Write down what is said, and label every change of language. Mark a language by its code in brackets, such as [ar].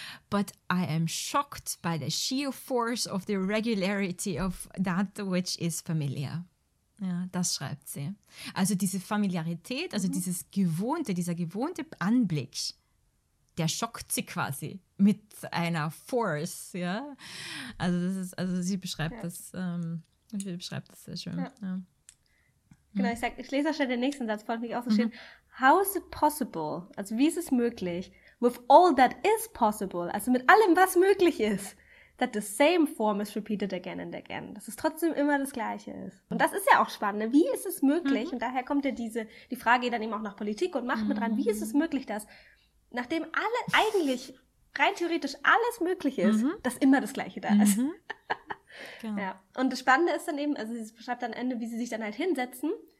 [en] But I am shocked by the sheer force of the regularity of that which is familiar. [de] Ja, das schreibt sie. Also diese Familiarität, also dieses gewohnte, dieser gewohnte Anblick, der schockt sie quasi mit einer Force, ja. Also das ist, also sie beschreibt sie beschreibt das sehr schön. Ja. Genau, ich lese auch schon den nächsten Satz, fand ich auch so schön. [en] How is it possible? [de] Also wie ist es möglich? [en] With all that is possible, [de] also mit allem, was möglich ist. [en] That the same form is repeated again and again. [de] Dass es trotzdem immer das Gleiche ist. Und das ist ja auch spannend. Wie ist es möglich? Mhm. Und daher kommt ja die Frage dann eben auch nach Politik und Macht mit rein. Wie ist es möglich, dass nachdem alle eigentlich rein theoretisch alles möglich ist, dass immer das Gleiche da ist? Genau. Ja. Und das Spannende ist dann eben, also sie beschreibt dann am Ende, wie sie sich dann halt hinsetzen.